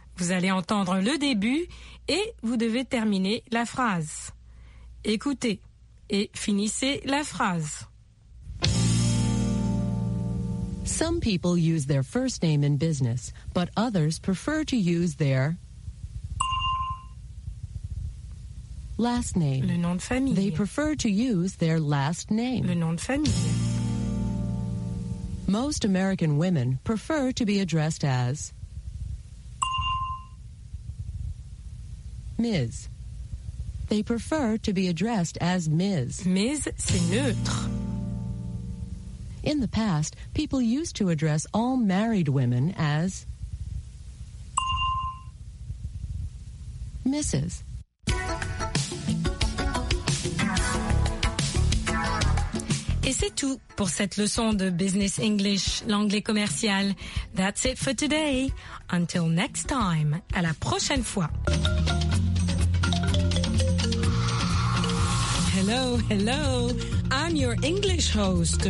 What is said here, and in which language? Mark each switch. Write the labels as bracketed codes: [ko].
[fr] Vous allez entendre le début et vous devez terminer la phrase. Écoutez et finissez la phrase. [en] Some people use their first name in business, but others prefer to use their last name. [fr] Le nom de famille. [en] They prefer to use their last name. [fr] Le nom de famille. [en] Most American women prefer to be addressed as Ms. They prefer to be addressed as Ms. [fr] Ms, c'est neutre. [en] In the past, people used to address all married women as Mrs. [fr] Et c'est tout pour cette leçon de Business English, l'anglais commercial. [en] That's it for today. Until next time, [fr] à la prochaine fois. [en] Hello, hello. I'm your English host.